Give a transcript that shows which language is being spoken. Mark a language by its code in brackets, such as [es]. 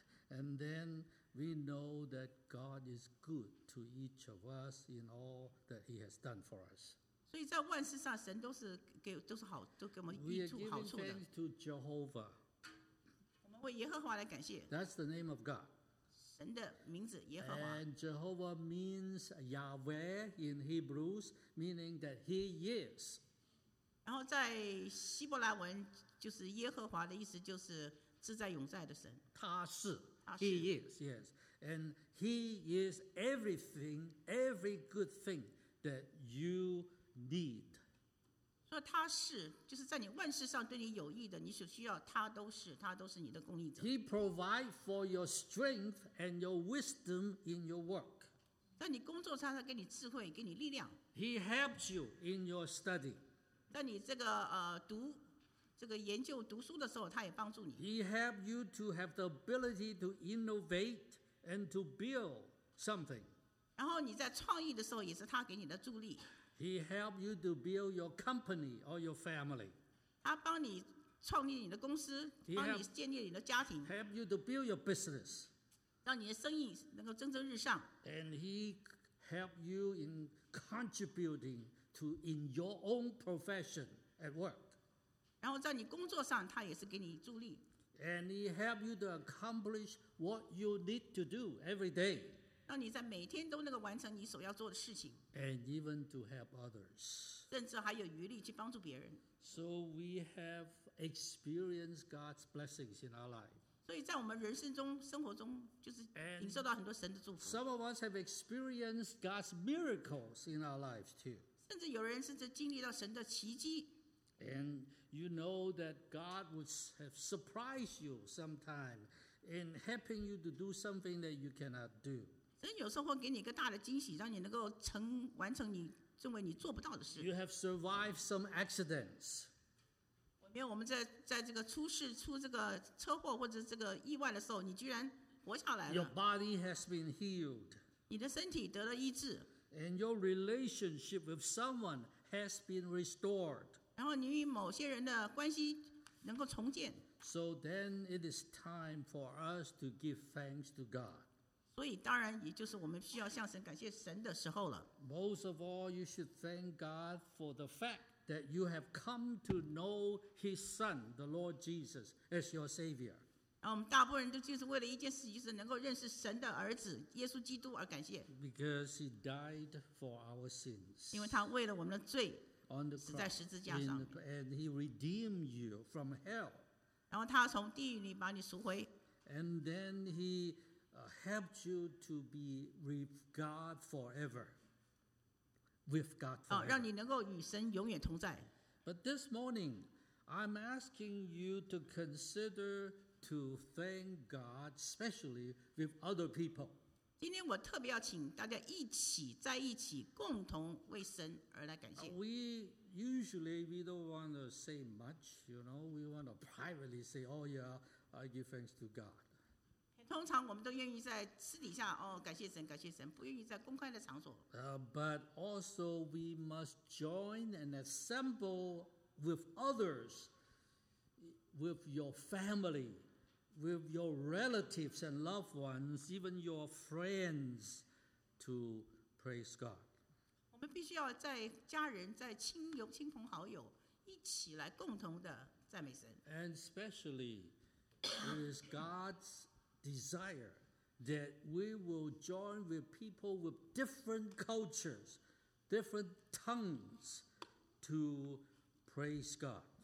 [en] And then we know that God is good to each of us in all that He has done for us. [zh] 所以在万事上，神都是好，都给我们益处好处的。 [en] We are giving thanks to Jehovah. [zh] 我们为耶和华来感谢。 [en] That's the name of God. [zh] 神的名字耶和华。 [en] And Jehovah means Yahweh in Hebrews, meaning that He is. [zh] 然后在希伯来文，就是耶和华的意思，就是自在永在的神。他是。 [en] He is, yes. And he is everything, every good thing that you need. [zh] 所以他是，就是在你万事上对你有益的，你所需要，他都是，他都是你的供应者。 [en] He provides for your strength and your wisdom in your work. [zh] 在你工作上，他给你智慧，给你力量。 [en] He helps you in your study. [zh] 在你这个读这个研究读书的时候，他也帮助你。 [en] He helps you to have the ability to innovate and to build something. [zh] 然后你在创意的时候，也是他给你的助力。 [en] He helps you to build your company or your family. [zh] 他帮你创立你的公司，帮你建立你的家庭。 [en] Help you to build your business. [zh] 让你的生意能够蒸蒸日上。 [en] And he helps you in contributing to in your own profession at work. [zh] 然后在你工作上，他也是给你助力。 [en] And he helps you to accomplish what you need to do every day. [zh] 让你在每天都能够完成你所要做的事情。 [en] And even to help others. [zh] 甚至还有余力去帮助别人。 [en] So we have experienced God's blessings in our life. [zh] 所以在我们人生中、生活中，就是领受到很多神的祝福。 [en] Some of us have experienced God's miracles in our lives too. [zh] 甚至有人甚至经历到神的奇迹。 [en] And you know that God would have surprised you sometime in helping you to do something that you cannot do. [zh] 神有时候会给你一个大的惊喜，让你能够成完成你认为你做不到的事。 [en] You have survived some accidents. [zh] 因为我们在这个出事、出这个车祸或者这个意外的时候，你居然活下来了。 [en] Your body has been healed. [zh] 你的身体得了医治。 [en] And your relationship with someone has been restored. [zh] 然后你与某些人的关系能够重建。 [en] So then it is time for us to give thanks to God. [zh] 所以当然也就是我们需要向神感谢神的时候了。 [en] Most of all, you should thank God for the fact that you have come to know His Son, the Lord Jesus, as your Savior. [zh] 我们大部分人都就是为了一件事，就是能够认识神的儿子耶稣基督而感谢。 [en] Because He died for our sins. [zh] 因为他为了我们的罪。 [en] On the cross, [zh] 是在十字架上 [en] and he redeemed you from hell. [zh] 然后他从地狱里把你赎回 [en] and then he helped you to be with God forever. With God forever. [zh] 让你能够与神永远同在 [en] But this morning, I'm asking you to consider to thank God, especially with other people. [zh] 今天我特别要请大家一起在一起共同为神而来感谢。 [en] We usually we don't want to say much, you know. We want to privately say, "Oh yeah, I give thanks to God." [zh] 通常我们都愿意在私底下哦感谢神，感谢神，不愿意在公开的场所。 [en] But also we must join and assemble with others, with your family. With your relatives and loved ones, even your friends, to praise God. [zh] 我们必须要在家人、在亲友、亲朋好友一起来共同的赞美神。 [en] And especially, it is God's desire that we will join with people with different cultures, different tongues, to praise God.